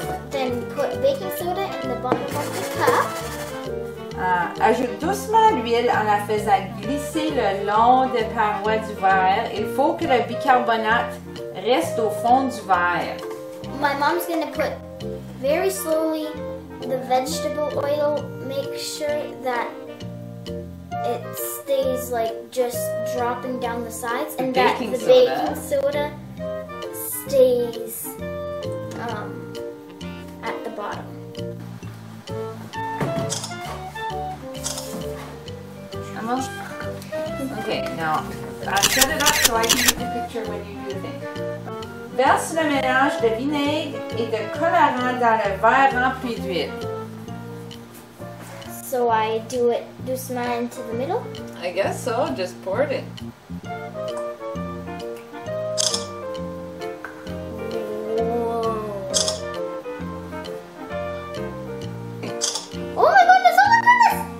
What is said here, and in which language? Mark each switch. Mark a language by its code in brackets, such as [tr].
[en] Then put baking soda in the bottom of the cup. [fr] Ajoute doucement l'huile en la faisant glisser le long des parois du verre. Il faut que le bicarbonate reste au fond du verre. [en] My mom's gonna put very slowly the vegetable oil. Make sure that it stays like just dropping down the sides, and that the baking soda stays at the bottom. Almost. Okay, now set it up so I can get the picture when you do it. [fr] Verse le mélange de vinaigre et de colorant dans le verre rempli d'huile. [en] So I do it, do some into the middle? I guess so, just pour it in. Whoa. Oh my goodness, oh my goodness!